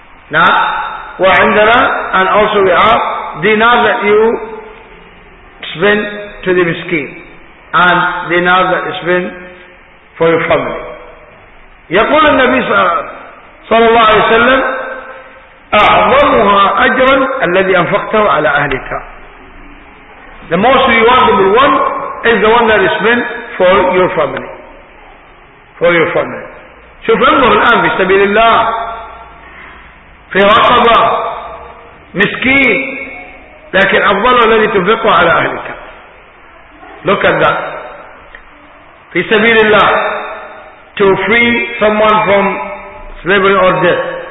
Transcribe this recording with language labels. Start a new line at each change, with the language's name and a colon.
English: Now, وعندنا and also we have dinar that you spend to the miskin and dinar that you spend for your family.
Arabic: يقول النبي صلى الله عليه وسلم أعظمها أجرا الذي أنفقته على أهلك.
English: The most rewardable one is the one that you spend for your family. For your family.
Arabic: شوف انظر الآن في سبيل الله في رقبة مسكين، لكن أفضل الذي تنفقه على أهلك.
English: Look at that.
Arabic: في سبيل الله
English: to free someone from slavery or death.